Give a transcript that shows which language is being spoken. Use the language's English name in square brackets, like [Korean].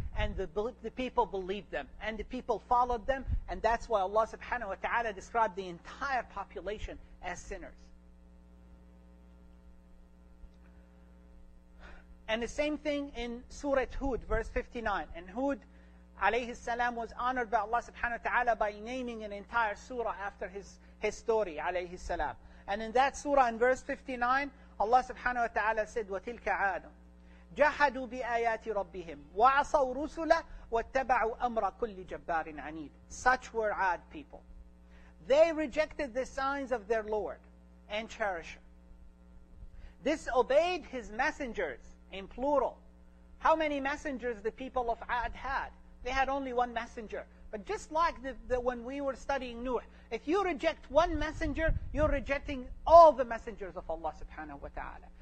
[English] And the people believed them, and the people followed them, and that's why Allah subhanahu wa ta'ala described the entire population as sinners. And the same thing in Surah Hud, verse 59. And Hud, alayhi salam, was honored by Allah subhanahu wa ta'ala by naming an entire surah after his story, alayhi salam. And in that surah, in verse 59, Allah subhanahu wa ta'ala said, [Arabic] وَتِلْكَ عَادٌ جَحَدُوا بِآيَاتِ رَبِّهِمْ وَعَصَوْا رُسُلَ وَاتَّبَعُوا أَمْرَ كُلِّ جَبَّارٍ عَنِيدٍ. [English] Such were Ad people. They rejected the signs of their Lord and cherisher. Disobeyed his messengers, in plural. How many messengers the people of Ad had? They had only one messenger. But just like when we were studying Nuh, if you reject one messenger, you're rejecting all the messengers of Allah subhanahu wa ta'ala.